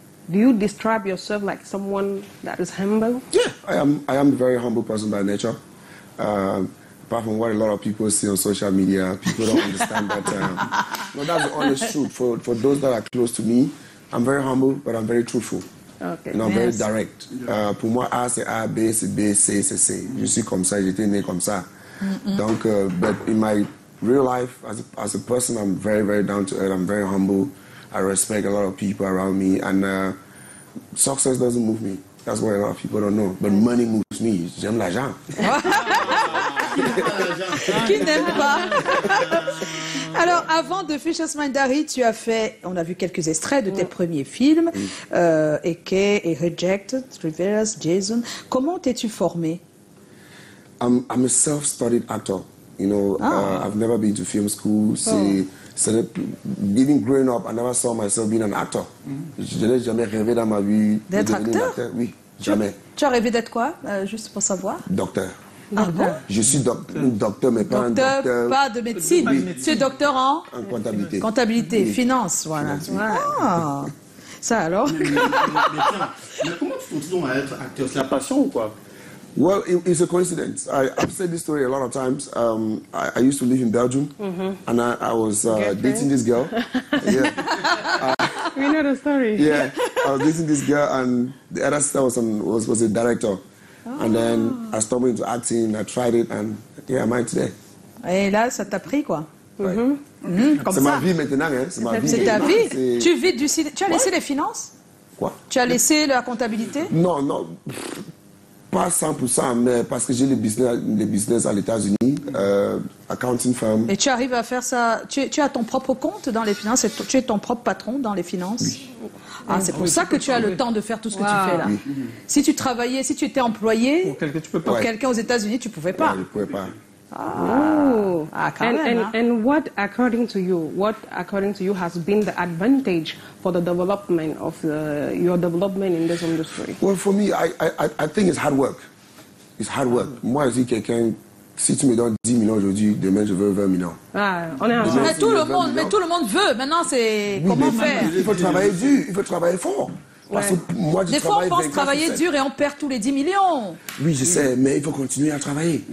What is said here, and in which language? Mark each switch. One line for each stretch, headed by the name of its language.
English: Do you describe yourself like someone that is humble? Yeah, I am a very humble person by nature. Apart from what a lot of people see on social media, people don't understand that. No, that's the honest truth. For those that are close to me, I'm very humble, but I'm very truthful. Okay. Non, very direct.
French: Pour moi, A c'est A, B c'est B, C c'est C. Je suis comme ça, j'étais né comme ça.
English: Donc, but in my real life, as a person, I'm very, very down to earth. I'm very humble. I respect a lot of people around me. And success doesn't move me. That's what a lot of people don't know. But money moves me.
French: J'aime l'argent. Qui n'aime pas? Alors, avant The Fisherman's Diary, tu as fait, on a vu quelques extraits de tes premiers films, AK et Rejected, Reverse, Jason. Comment t'es-tu formé?
English: I'm a self-studied actor. You know, I've never been to film school. Even growing up, I never saw myself being an actor.
French: Je n'ai jamais rêvé dans ma vie d'être acteur? Oui, jamais. Tu as rêvé d'être quoi, juste pour savoir? Docteur. Ah bon? Je suis docteur, mais pas docteur, un docteur. Pas de médecine. Oui. Tu es docteur en comptabilité. Comptabilité, oui. Finance, voilà. Finance, oui. Ah. Ça alors. Mais comment tu continues à être acteur? C'est la passion ou quoi?
English: Well, it's a coincidence. I've said this story a lot of times. I used to live in Belgium, and I was dating this girl. Yeah. We know the story. Yeah, I was dating this girl, and the other sister was a director. Oh. And then I stumbled into acting, I tried it, and yeah, I'm here today.
French: Et là, ça t'a pris, quoi. Comme c'est ça. Ma vie maintenant, hein. C'est ma vie. C'est ta vie. Tu vis du cinéma. Tu as laissé les finances? Quoi? Tu as laissé la comptabilité? Non, non. Pas 100%, mais parce que j'ai le business à l'États-Unis,
English: accounting firm.
French: Et tu arrives à faire ça? Tu as ton propre compte dans les finances? Tu es ton propre patron dans les finances? Oui. Ah, c'est pour ça que tu as le temps de faire tout ce que tu fais là. Oui. Si tu travaillais, si tu étais employé pour quelqu'un, tu peux pas. Pour quelqu'un aux États-Unis, tu pouvais pas. Ouais, je pouvais pas. Ah, quand même.
English: And what according to you has been the advantage for the development of your development in this industry? Well, for me, I think it's hard work. It's hard work.
French: Moi, je dis quelqu'un, si tu me donnes 10 millions aujourd'hui, demain je veux 20 millions. Mais tout le monde veut. Maintenant, c'est comment faire? Il faut travailler dur, il faut travailler fort. Parce que moi, je travaille. Des fois, on pense travailler dur et on perd tous les 10 millions. Oui, je sais, mais il faut continuer à travailler.